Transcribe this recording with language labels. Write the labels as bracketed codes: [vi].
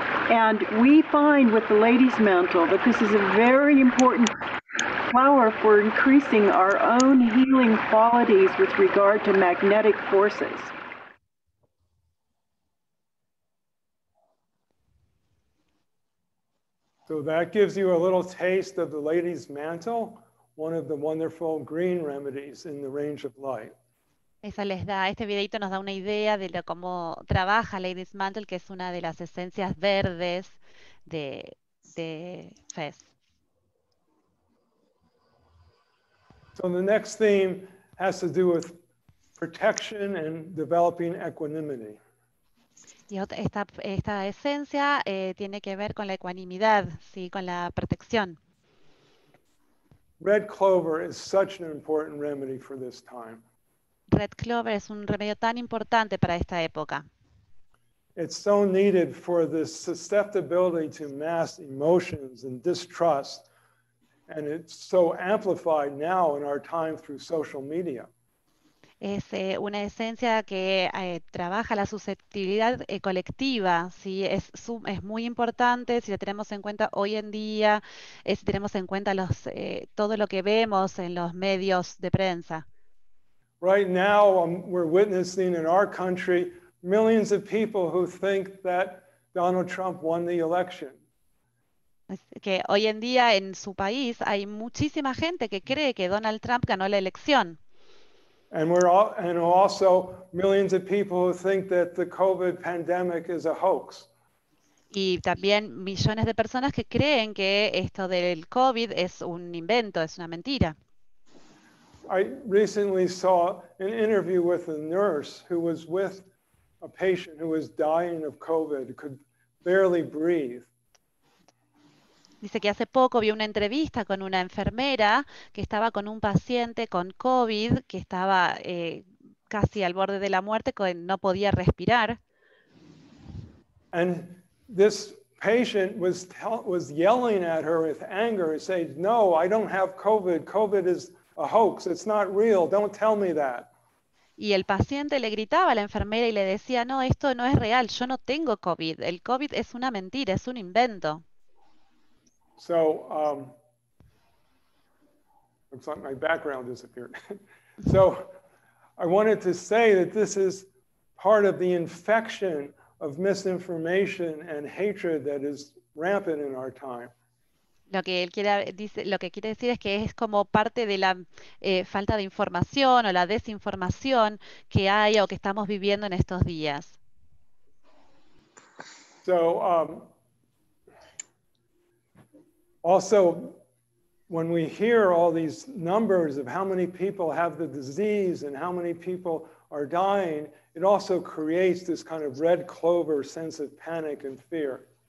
[en] And we find with the Lady's Mantle that this is a very important flower for increasing our own healing qualities with regard to magnetic forces. So that gives you a little taste of the Lady's Mantle, one of the wonderful green remedies in the range of light. [es] Esa les da, este videito nos da una idea de cómo trabaja Lady's Mantle, que es una de las esencias verdes de Fez. [en] So the next theme has to do with protection and developing equanimity. [es] Y esta esencia tiene que ver con la ecuanimidad, sí, con la protección. [en] Red clover is such an important remedy for this time. [es] Red clover es un remedio tan importante para esta época. [en] It's so needed for this susceptibility to mass emotions and distrust, and it's so amplified now in our time through social media. [es] Es una esencia que trabaja la susceptibilidad colectiva, ¿sí? Es muy importante si la tenemos en cuenta hoy en día, si tenemos en cuenta todo lo que vemos en los medios de prensa. [en] Right now, we're witnessing in our country millions of people who think that Donald Trump won the election. [es] Que hoy en día en su país hay muchísima gente que cree que Donald Trump ganó la elección. [en] And we're all, and also millions of people who think that the COVID pandemic is a hoax. [es] Y también millones de personas que creen que esto del COVID es un invento, es una mentira. [en] I recently saw an interview with a nurse who was with a patient who was dying of COVID, could barely breathe. [es] Dice que hace poco vio una entrevista con una enfermera que estaba con un paciente con COVID, que estaba casi al borde de la muerte, que no podía respirar. [en] And this patient was yelling at her with anger and said, "No, I don't have COVID. COVID is a hoax. It's not real. Don't tell me that." [es] Y el paciente le gritaba a la enfermera y le decía, "No, esto no es real. Yo no tengo COVID. El COVID es una mentira, es un invento." [en] So, looks like my background disappeared. So, I wanted to say that this is part of the infection of misinformation and hatred that is rampant in our time. [es] Lo que él quiere, dice, lo que quiere decir es que es como parte de la falta de información o la desinformación que hay o que estamos viviendo en estos días. [en] So, also, when we hear all these numbers of how many people have the disease and how many people are dying, it also creates this kind of red clover sense of panic and fear.